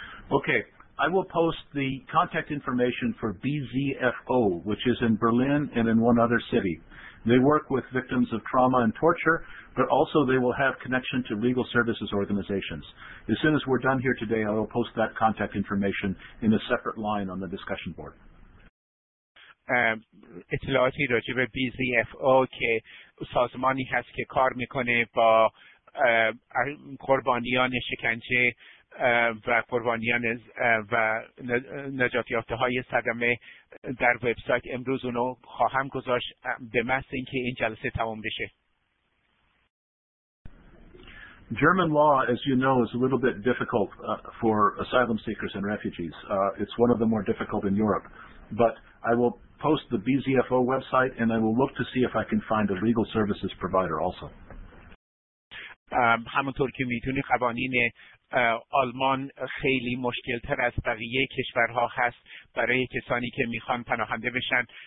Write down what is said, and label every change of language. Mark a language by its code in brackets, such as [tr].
[en] Okay, I will post the contact information for BZFO, which is in Berlin and in one other city. They work with victims of trauma and torture, but also they will have connection to legal services organizations. As soon as we're done here today, I will post that contact information in a separate line on the discussion board. [fa] اطلاعاتی راجع به BZFO که سازمانی هست که کار میکنه با قربانیان شکنجه و قربانیان و نجات یافته های صدمه در وبسایت امروز اونو خواهم گذاشت به محض اینکه این جلسه تمام بشه. [en] German law, as you know, is a little bit difficult for asylum seekers and refugees. It's one of the more difficult in Europe. But I will post the BZFO website and I will look to see if I can find a legal services provider also. [fa] همونطور که میتونی قوانین آلمان خیلی مشکل تر از بقیه کشورها هست برای کسانی که میخوان پناهنده بشن.